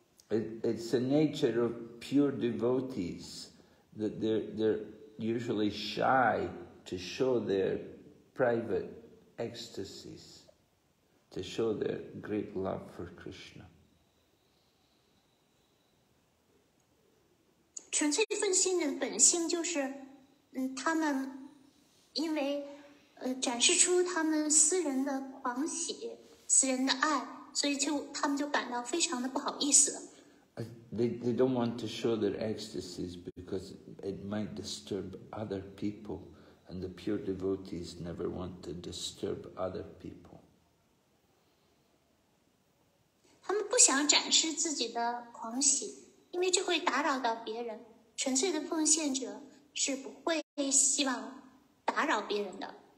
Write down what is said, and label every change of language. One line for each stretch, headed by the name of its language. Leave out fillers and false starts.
English: It's the nature of pure devotees that they're usually shy to show their private ecstasies, to show their great love for Krishna.
Chinese: 纯粹分心的本性就是他们因为展示出他们私人的狂喜私人的爱，所以就他们就感到非常的不好意思。
English: They don't want to show their ecstasies because it might disturb other people, and the pure devotees never want to disturb other people.
Chinese: 他们不想展示自己的狂喜，因为这会打扰到别人。纯粹的奉献者是不会希望打扰别人的。